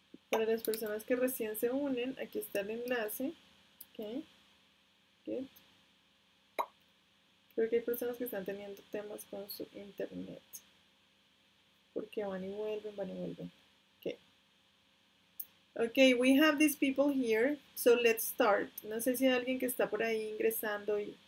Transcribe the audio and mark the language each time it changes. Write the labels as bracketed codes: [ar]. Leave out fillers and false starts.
[es] Para las personas que recién se unen, aquí está el enlace. [en] Okay. Good. [es] Creo que hay personas que están teniendo temas con su internet. Porque van y vuelven, van y vuelven. [en] Okay, we have these people here, so let's start. [es] No sé si hay alguien que está por ahí ingresando.